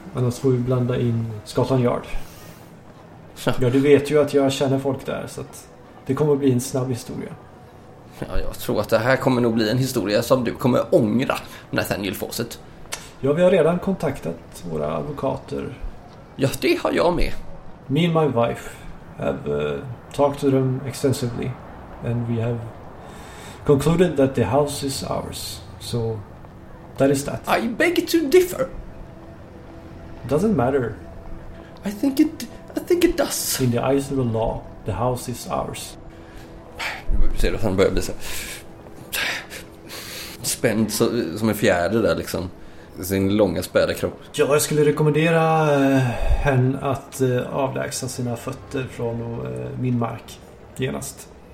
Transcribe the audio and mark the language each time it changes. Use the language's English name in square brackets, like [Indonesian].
[Swedish] Annars får vi blanda in Scotland Yard. Ja, du vet ju att jag känner folk där, så att det kommer att bli en snabb historia. Ja, jag tror att det här kommer nog bli en historia som du kommer ångra, Nathaniel Fawcett. Ja, vi har redan kontaktat våra advokater. Ja, det har jag med. [English] Me and my wife have talked to them extensively, and we have concluded that the house is ours. So, that is that. I beg to differ. Doesn't matter. I think it does. In the eyes of the law, the house is ours. [Swedish] Ser du att han börjar bli så spänd som en fjärde där liksom. Sin långa späda kropp. Ja, jag skulle rekommendera henne att avlägsna sina fötter från min mark genast.